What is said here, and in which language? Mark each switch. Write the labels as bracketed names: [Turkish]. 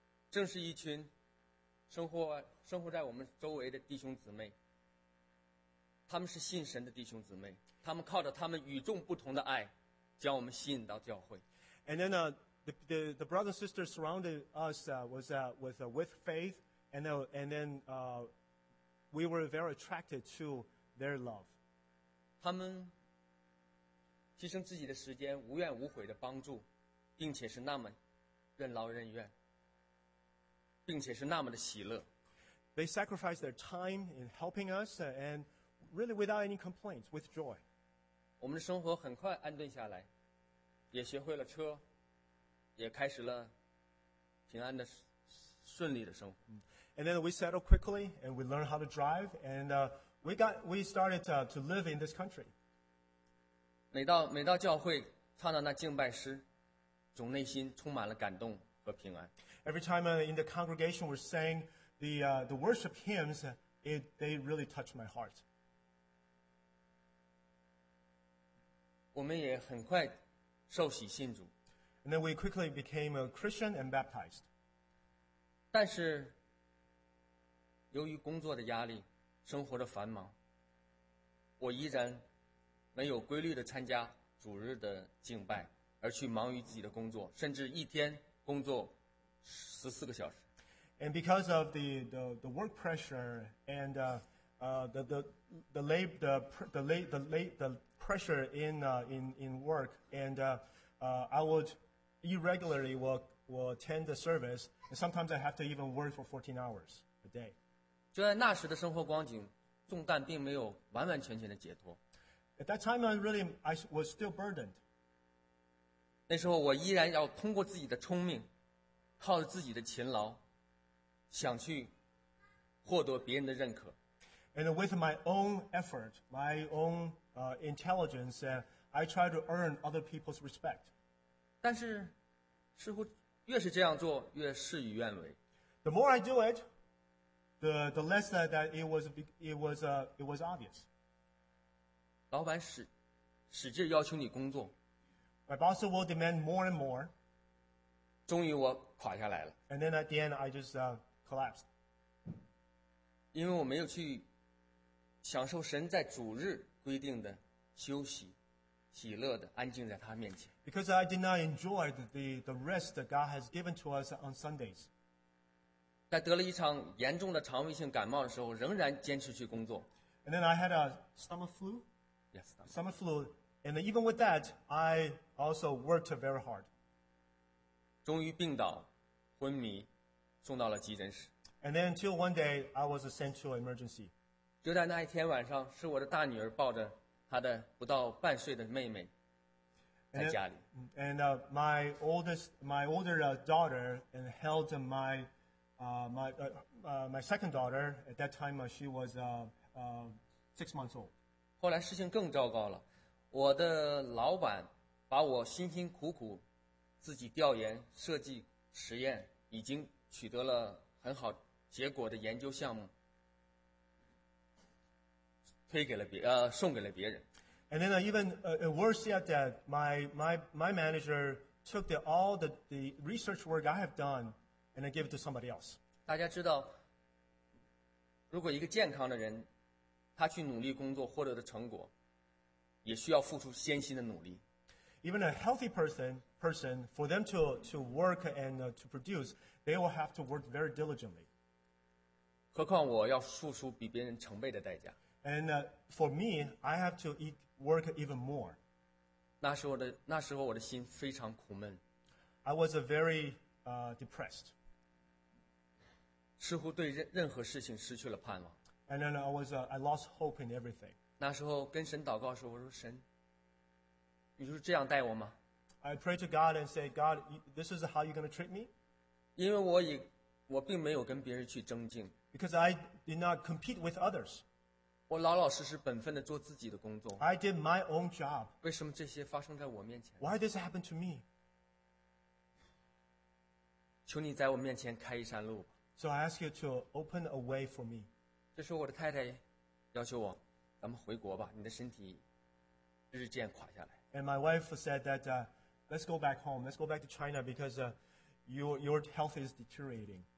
[Chinese] 正是一群生活在我们周围的弟兄姊妹，他们是信神的弟兄姊妹，他们靠着他们与众不同的爱，将我们吸引到教会。 [English] And then the brothers and sisters surrounded us with faith, and then we were very attracted to their love. [Chinese] 他们牺牲自己的时间，无怨无悔的帮助，并且是那么任劳任怨。并且是那么的喜乐。 [English] They sacrificed their time in helping us, and really without any complaints, with joy. [Chinese] 我们的生活很快安顿下来，也学会了车，也开始了平安的、顺利的生活。 [English] And then we settled quickly, and we learned how to drive, and we started to live in this country. [Chinese] 每到教会唱到那敬拜诗，总内心充满了感动。 [English] Every time in the congregation we're saying the worship hymns, they really touched my heart. [Chinese] 我们也很快受洗信主。 [English] And then we quickly became a Christian and baptized. [Chinese] 但是由于工作的压力，生活的繁忙，我依然没有规律的参加主日的敬拜，而去忙于自己的工作，甚至一天工作14个小时。 [English] And because of the work pressure and the pressure in work and I would irregularly will attend the service and sometimes I have to even work for 14 hours a day. [Chinese] 就在那时的生活光景，重担并没有完完全全的解脱。 [English] At that time, I was still burdened. [Chinese] 那时候我依然要通过自己的聪明，靠着自己的勤劳，想去获得别人的认可。 [English] And with my own effort, my own intelligence, I try to earn other people's respect. [Chinese] 但是，似乎越是这样做，越事与愿违。 [English] The more I do it, the less that it was obvious. [Chinese] 老板使劲要求你工作。 [English] My boss will demand more and more. [Chinese] 终于我垮下来了。 [English] And then at the end, I just collapsed. [Chinese] 因为我没有去享受神在主日规定的休息、喜乐的安静在他面前。 [English] Because I did not enjoy the rest that God has given to us on Sundays. [Chinese] 在得了一场严重的肠胃性感冒的时候，仍然坚持去工作。 [English] And then I had a stomach flu. Yes, stomach flu. And even with that, I also worked very hard. [Chinese] 终于病倒，昏迷，送到了急诊室。 [English] And then until one day, I was sent to an emergency. [Chinese] 就在那一天晚上，是我的大女儿抱着她的不到半岁的妹妹在家里。 [English] And my older daughter and held my second daughter. At that time, she was 6 months old. [Chinese] 后来事情更糟糕了，我的老板把我辛辛苦苦自己调研、设计、实验，已经取得了很好结果的研究项目，送给了别人。 [English] And then worse yet, that my manager took all the research work I have done and gave it to somebody else. [Chinese] 大家知道，如果一个健康的人，他去努力工作获得的成果，也需要付出艰辛的努力。 [English] Even a healthy person, for them to work and to produce, they will have to work very diligently. [Chinese] 何况我要付出比别人成倍的代价。 [English] And for me, I have to work even more. [Chinese] 那时候我的心非常苦闷。 [English] I was very depressed. [Chinese] 似乎对任何事情失去了盼望。 [English] And then I lost hope in everything. [Chinese] 那时候跟神祷告的时候，我说神，你就是这样待我吗 [English] ？I prayed to God and said, God, this is how you're going to treat me? [Chinese] 因为我并没有跟别人去争竞。 [English] Because I did not compete with others. [Chinese] 我老老实实本分地做自己的工作。 [English] I did my own job. [Chinese] 为什么这些发生在我面前？ [English] Why this happened to me? [Chinese] 求你在我面前开一扇路。 [English] So I ask you to open a way for me. [Chinese] 这时候我的太太要求我，咱们回国吧，你的身体日渐垮下来。 [English] And my wife said that, let's go back home. Let's go back to China because, your health is deteriorating.